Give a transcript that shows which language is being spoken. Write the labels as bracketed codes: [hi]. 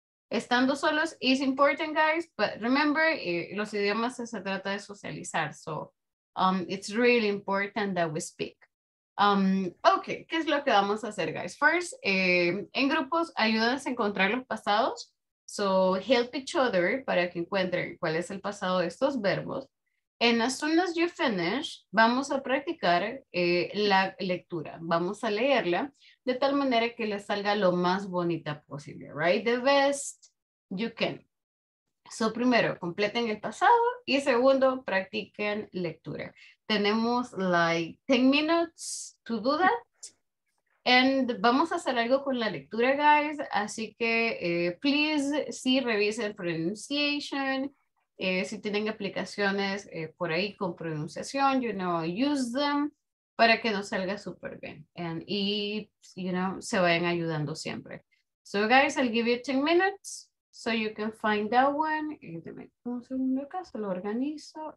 [es] Estando solos [en] is important, guys, but remember, [es] los idiomas se trata de socializar. [en] So it's really important that we speak. [es] Okay, ¿qué es lo que vamos a hacer, guys? First, en grupos, ayúdense a encontrar los pasados. [en] So help each other [es] para que encuentren cuál es el pasado de estos verbos. [en] And as soon as you finish, [es] vamos a practicar la lectura. Vamos a leerla de tal manera que le salga lo más bonita posible, right? [en] The best you can. So, [es] primero, completen el pasado. Y segundo, practiquen lectura. Tenemos [en] like 10 minutes to do that. [es] And vamos a hacer algo con la lectura, guys. Así que, please, sí, revisen pronunciation. Si tienen aplicaciones por ahí con pronunciación, [en] you know, use them [es] para que no salga súper bien. And, y, [en] you know, [es] se vayan ayudando siempre. [en] So, guys, I'll give you 10 minutes so you can find that one. [es] Y deme un segundo acá, se lo organizo.